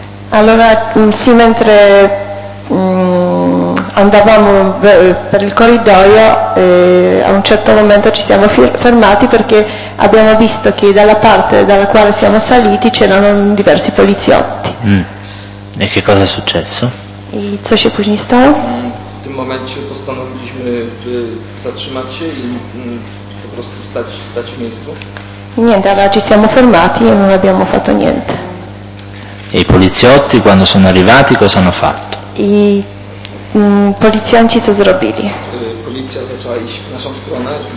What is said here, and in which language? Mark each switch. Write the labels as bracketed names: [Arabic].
[Italian] Allora, sì, mentre andavamo per il corridoio, a un certo momento ci siamo fermati perché abbiamo visto che dalla parte dalla quale siamo saliti c'erano diversi poliziotti. E che cosa è successo? [Polish] E co się później stało? W tym momencie postanowiliśmy zatrzymać się i po prostu stać w miejscu. [Italian] Niente, allora ci siamo fermati e non abbiamo fatto niente. E i poliziotti quando sono arrivati cosa hanno fatto? [Polish] I [Italian] poliziotti cosa [Polish] zrobili? Policja zaczęła iść w naszą stronę.